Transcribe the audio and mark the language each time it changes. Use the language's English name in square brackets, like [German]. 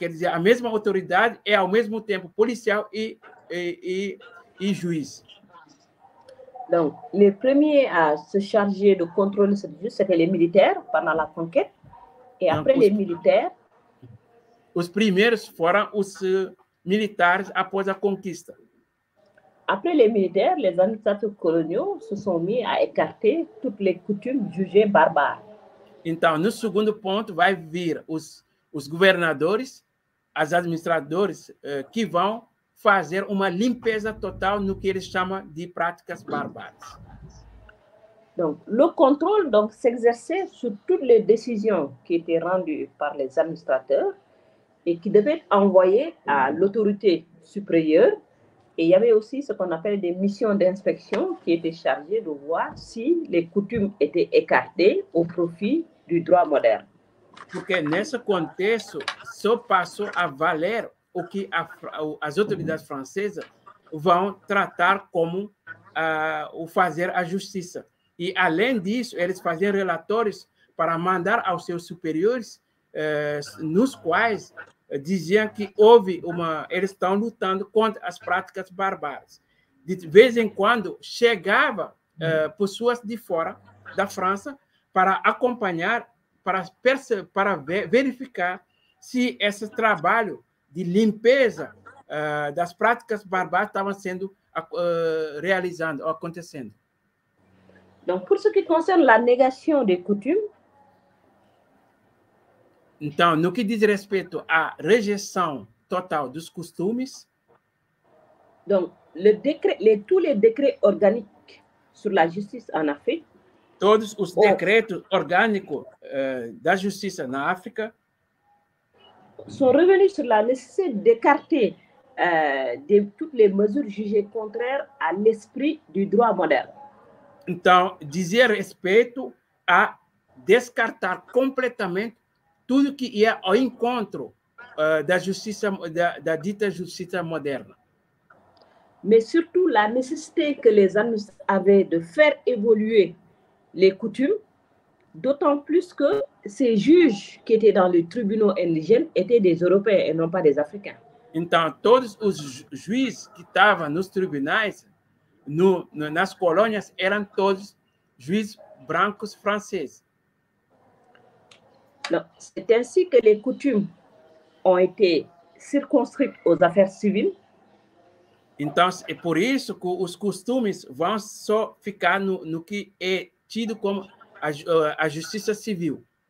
[Portuguese] Quer dizer, a mesma autoridade é ao mesmo tempo policial e juiz. [French] Donc, les premiers à se charger de contrôler cette justice, c'était les militaires pendant la conquête. Et après, donc, les militaires. [Portuguese] Os primeiros foram os militares após a conquista. [French] Après, les militaires, les administrateurs coloniaux se sont mis à écarter toutes les coutumes jugées barbares. [Portuguese] Então, no segundo ponto, vai vir os governadores, as administradores que vão fazer uma limpeza total no que eles chamam de práticas barbares. [French] Donc, le contrôle donc s'exerçait sur toutes les décisions qui étaient rendues par les administrateurs et qui devaient être envoyées à l'autorité supérieure. Et il y avait aussi ce qu'on appelle des missions d'inspection qui étaient chargées de voir si les coutumes étaient écartées au profit du droit moderne. [Portuguese] Porque nesse contexto, só passou a valer o que as autoridades francesas vão tratar como o fazer a justiça. E, além disso, eles fazem relatórios para mandar aos seus superiores, nos quais diziam que houve eles estão lutando contra as práticas barbaras. De vez em quando, chegava pessoas de fora da França para acompanhar, para verificar se esse trabalho de limpeza das práticas barbaras estava sendo realizando ou acontecendo. [French] Donc, pour ce qui concerne la négation des coutumes. [Portuguese] Então, no que diz respeito à rejeição total dos costumes. [French] Donc, tous les décrets organiques sur la justice en Afrique. [Portuguese] Todos os decretos orgânicos da justiça na África. [French] Sont revenus sur la nécessité d'écarter toutes les mesures jugées contraires à l'esprit du droit moderne. [Portuguese] Então, dizia respeito a descartar completamente tudo que ia ao encontro da dita justiça moderna. [French] Mas, surtout, [Portuguese] a necessidade que [French] les administrateurs avaient de faire évoluer les coutumes, d'autant plus que ces juges qui étaient dans les tribunaux indigènes étaient des Européens et non pas des Africains. [Portuguese] Então, todos os juízes que estavam nos tribunais nas colônias eram todos juízes brancos franceses. [French] C'est ainsi que les coutumes ont été circonscrites aux affaires civiles. [Portuguese] Então, é por isso que os costumes vão só ficar no que é tido como a justiça civil.